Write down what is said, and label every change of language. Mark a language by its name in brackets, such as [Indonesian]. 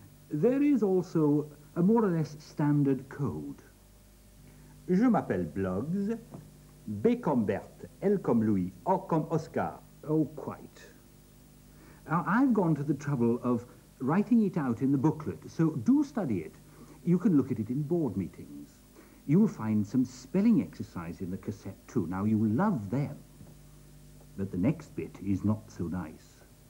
[English] There is also a more or less standard code. [French] Je m'appelle Bloggs. B comme Bert, L comme Louis, O comme Oscar. [English] Oh, quite. Now, I've gone to the trouble of writing it out in the booklet, so do study it. You can look at it in board meetings. You will find some spelling exercise in the cassette too. Now, you will love them. But the next bit is not so nice.